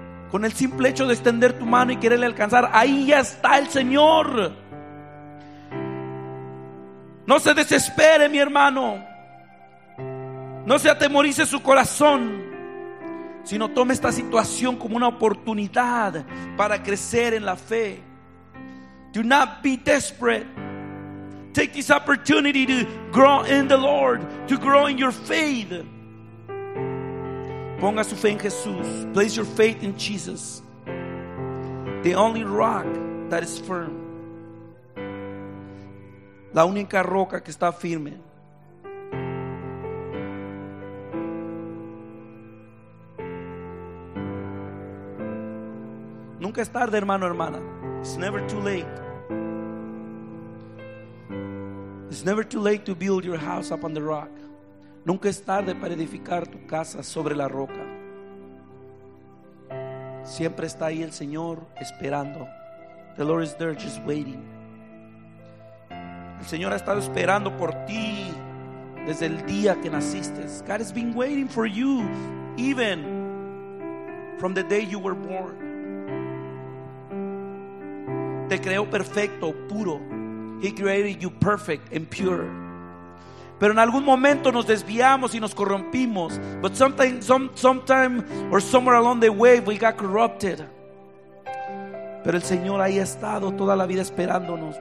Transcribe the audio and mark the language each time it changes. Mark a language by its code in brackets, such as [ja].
[es] Con el simple hecho de extender tu mano y quererle alcanzar, ahí ya está el Señor. No se desespere, mi hermano. No se atemorice su corazón, sino tome esta situación como una oportunidad para crecer en la fe. [en] Do not be desperate. Take this opportunity to grow in the Lord, to grow in your faith. [es] Ponga su fe en Jesús. [en] Place your faith in Jesus, the only rock that is firm. [es] La única roca que está firme. Nunca es tarde, hermano, hermana. [en] It's never too late. It's never too late to build your house upon the rock. [es] Nunca es tarde para edificar tu casa sobre la roca. Siempre está ahí el Señor esperando. [en] The Lord is there just waiting. [es] El Señor ha estado esperando por ti desde el día que naciste. [en] God has been waiting for you even from the day you were born. [es] Te creó perfecto, puro. [en] He created you perfect and pure. [es] Pero en algún momento nos desviamos y nos corrompimos. [en] But sometime or somewhere along the way we got corrupted. [es] Pero el Señor ahí ha estado toda la vida esperándonos.